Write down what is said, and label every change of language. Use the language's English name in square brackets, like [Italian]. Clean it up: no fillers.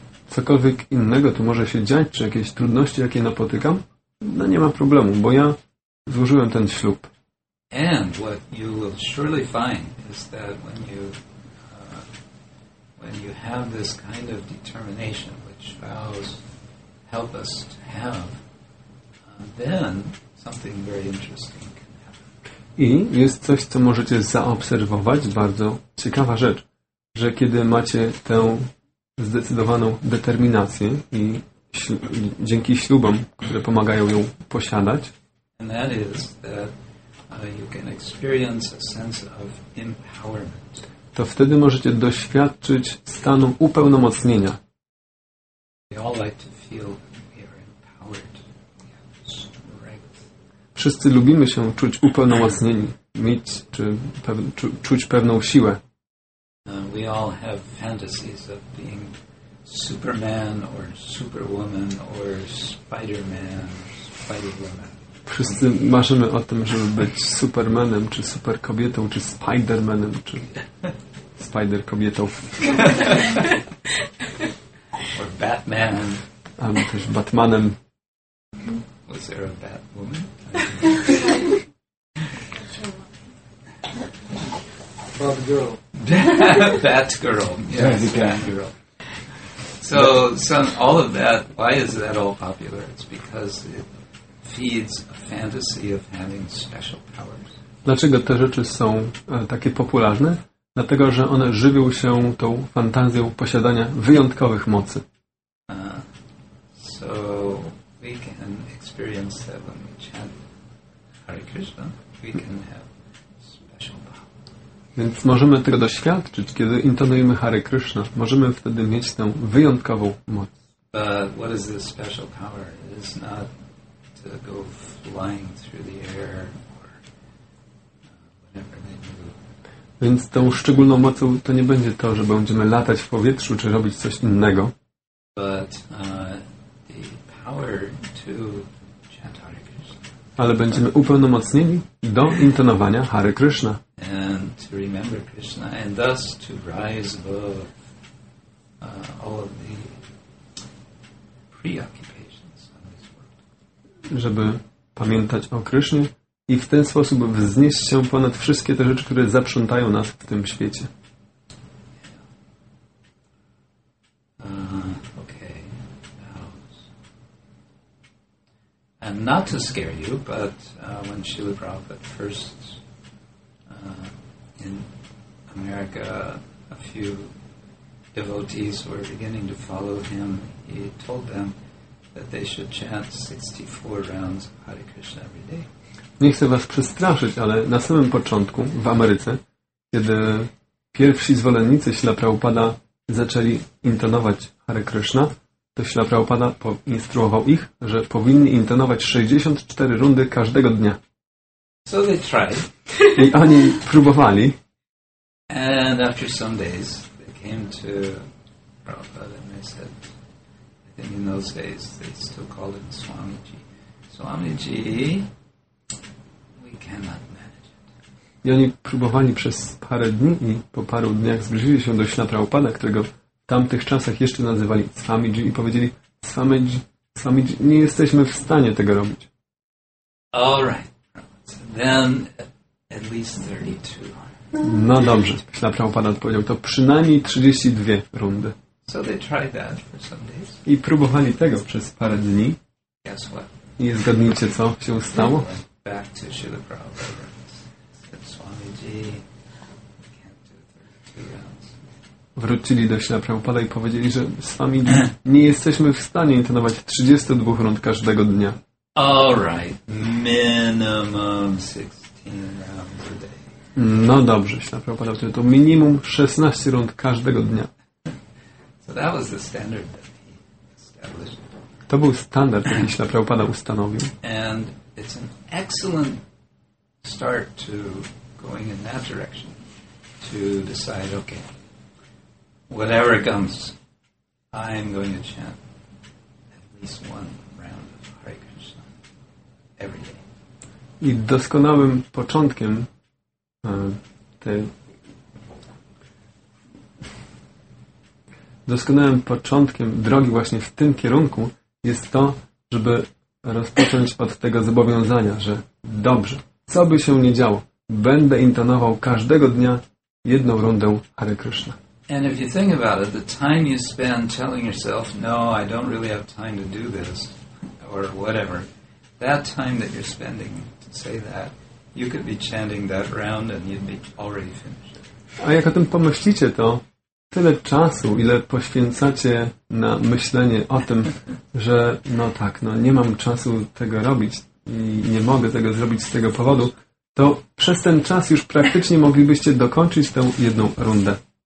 [Polish] Cokolwiek innego tu może się dziać, czy jakieś trudności, jakie napotykam, no nie ma problemu, bo ja złożyłem ten ślub. [English] And what you will surely find is that when you have this kind of determination, which vows help us to have, then something very interesting can happen. [Polish] I jest coś, co możecie zaobserwować, bardzo ciekawa rzecz, że kiedy macie tę zdecydowaną determinację i dzięki ślubom, które pomagają ją posiadać. [English] And that is that you can experience a sense of empowerment. [Polish] To wtedy możecie doświadczyć stanu upełnomocnienia. [English] We all like to feel we are empowered. Yes, right. [Polish] Wszyscy lubimy się czuć upełnomocnieni, mieć czy czuć pewną siłę. [English] We all have fantasies of being Superman or Superwoman or Spider-Man or Spider-Woman. [Polish] Wszyscy marzymy o tym, żeby być Supermanem, czy Superkobietą, czy Spidermanem, czy Spiderkobietą. [English] Or Batman. [Polish] Albo też Batmanem. [English] Was there a Batwoman? Batgirl. Batgirl. Yes, Batgirl. So all of that, why is that all popular? It's because feeds a fantasy of having special powers. [Polish] Dlaczego te rzeczy są takie popularne? Dlatego, że one żywią się tą fantazją posiadania wyjątkowych mocy. [English] So we can experience that when we chant Hare Krishna, we can have special power. [Polish] Więc możemy tego doświadczyć, kiedy intonujemy Hare Krishna, możemy wtedy mieć tę wyjątkową moc. [English] But what is this special power? It's not to go flying through the air or whatever they do. [Polish] Więc tą szczególną mocą to nie będzie to, że będziemy latać w powietrzu czy robić coś innego. [English] But the power to chant Hare Krishna. [Polish] Ale będziemy upełnomocnieni do intonowania Hare Krishna. [English] And to remember Krishna and thus to rise above all of the preoccupations. [Polish] Żeby pamiętać o Krysznie i w ten sposób wznieść się ponad wszystkie te rzeczy, które zaprzątają nas w tym świecie. [English] Okay. And not to scare you, but when Srila Prabhupada first in America, a few devotees were beginning to follow him, he told them that they should chant 64 rounds of Hare Krishna every day. [Polish] Nie chcę was przestraszyć, ale na samym początku w Ameryce, kiedy pierwsi zwolennicy Śrila Prabhupada zaczęli intonować Hare Krishna, to Śrila Prabhupada poinstruował ich, że powinni intonować 64 rundy każdego dnia. [English] So they tried. [Polish] I oni próbowali. [English] And after some days, they came to Prabhupada and they said, I think in those days they still called him Swamiji. Swamiji, we cannot manage it. [Polish] I oni próbowali przez parę dni i po paru dniach zbliżyli się do Śla Prabhupada, którego w tamtych czasach jeszcze nazywali Swamiji i powiedzieli, Swamiji, nie jesteśmy w stanie tego robić. [English] All right. So then at least 32. [Polish] No dobrze, Śla Prabhupada odpowiedział, to przynajmniej 32 rundy. [English] So they tried that for some days. [Polish] I próbowali tego przez parę dni. [English] Guess what? [Polish] I zgadnijcie, co się stało? [English] Back to Śla Prabhupada. Said, Swamiji, we can't do 32 rounds. [Polish] Wrócili do Śla Prabhupada i powiedzieli, że Swamiji, nie jesteśmy w stanie intonować 32 rund każdego dnia. [English] All right, minimum 16 rounds a day. [Polish] No dobrze, Śla Prabhupada, to minimum 16 rund każdego dnia. [English] So that was the standard that he established. [Polish] To był standard, jaki Śla Prabhupada ustanowił. [English] And it's an excellent start to going in that direction to decide, okay, whatever comes, I'm going to chant at least one round of Hare Krishna every day. [Polish] I doskonałym początkiem doskonałym początkiem drogi właśnie w tym kierunku jest to, żeby rozpocząć od tego zobowiązania, że dobrze, co by się nie działo, będę intonował każdego dnia jedną rundę Hare Krishna. [English] And if you think about it, the time you spend telling yourself, no, I don't really have time to do this, or whatever, that time that you're spending to say that, you could be chanting that round and you'd be already finished. [Polish] A jak o tym pomyślicie, to tyle czasu, ile poświęcacie na myślenie o tym, że no tak, no nie mam czasu tego robić i nie mogę tego zrobić z tego powodu, to przez ten czas już praktycznie moglibyście dokończyć tę jedną rundę.